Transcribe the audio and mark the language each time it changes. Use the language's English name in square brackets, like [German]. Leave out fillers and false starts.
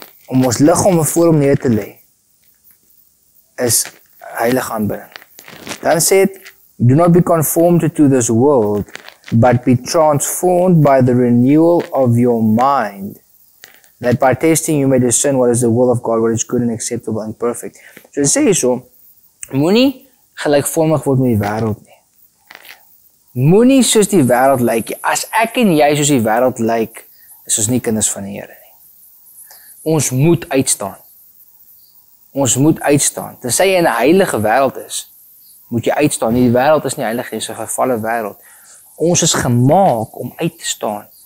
[Afrikaans] Om ons lichaam voor om neer te lê, is heilig aanbidding. Dan sê het, [English] do not be conformed to this world, but be transformed by the renewal of your mind, that by testing you may discern what is the will of God, what is good and acceptable and perfect. [Afrikaans] So dit sê hier so, moenie gelykvormig word met die wêreld nie. Moenie soos die wêreld lyk nie. As ek en jy soos die wêreld lyk, is ons nie kinders van die Here nie. Ons moet uitstaan. Ons moet uitstaan. Tensy jy in 'n heilige wêreld is, moet jy uitstaan. Die wêreld is nie heilig, dis 'n gevalle wêreld. Ons is gemaak om uit te staan.